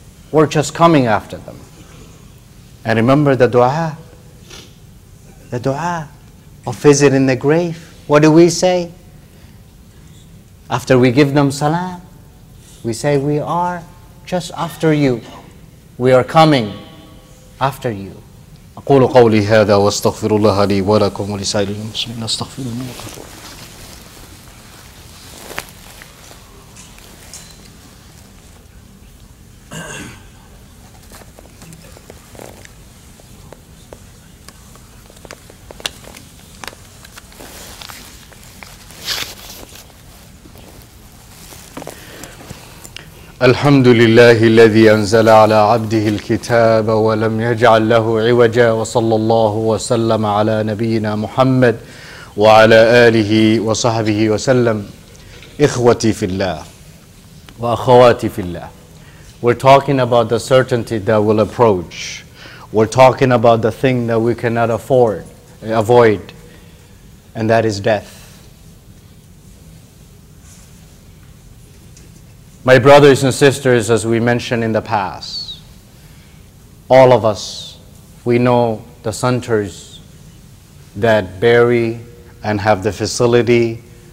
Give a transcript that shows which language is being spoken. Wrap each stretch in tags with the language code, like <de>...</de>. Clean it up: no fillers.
<en>We're just coming after them. And remember the dua. The dua of visiting the grave. What do we say? After we give them salam, we say we are just after you. We are coming after you.</en> <ar>أقول قولي هذا واستغفر الله لي ولكم ولسائر المسلمين استغفر الله وأتوب الحمد لله الذي أنزل على عبده الكتاب ولم يجعل له عوجا وصلى الله وسلم على نبينا محمد وعلى آله وصحبه وسلم إخوتي في الله وأخواتي في الله.</ar> <en>We're talking about the certainty that will approach. We're talking about the thing that we cannot avoid, and that is death. My brothers and sisters, as we mentioned in the past, all of us, we know the centers that bury and have the facility</en>